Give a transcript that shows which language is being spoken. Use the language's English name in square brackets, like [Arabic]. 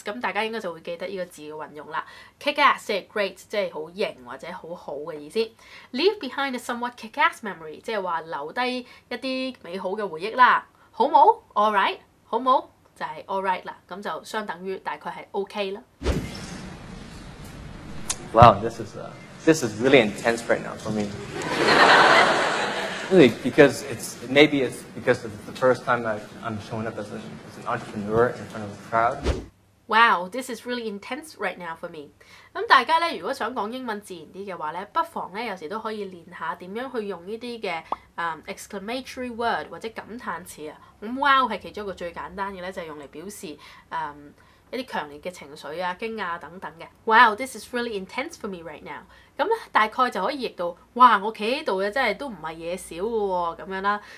[Cantonese] 咁大家應該就會記得呢個字嘅運用啦。 kick-ass 即係 great， 即係好型或者好好嘅意思。 [English] Leave behind a somewhat kick-ass memory， [Cantonese] 即係話留低一啲美好嘅回憶啦。好冇 ？ [English] All right， [Cantonese] 好冇就係 all right 啦。咁就相等於大概係 OK 啦。 [English] Wow， this is really intense right now for me. Really, because maybe it's because of the first time I'm showing up as an entrepreneur in front of a crowd. Wow, this is really intense right now for me. [Cantonese] 咁大家咧，如果想講英文自然啲嘅話咧，不妨咧有時都可以練下點樣去用呢啲嘅exclamatory word 或者感嘆詞啊。咁 wow 係其中一個最簡單嘅咧，就係用嚟表示一啲強烈嘅情緒啊、驚訝啊等等嘅。 [English] Wow, this is really intense for me right now. [Cantonese] 咁咧大概就可以譯到，哇！我企喺度嘅真係都唔係嘢少嘅喎，咁樣啦。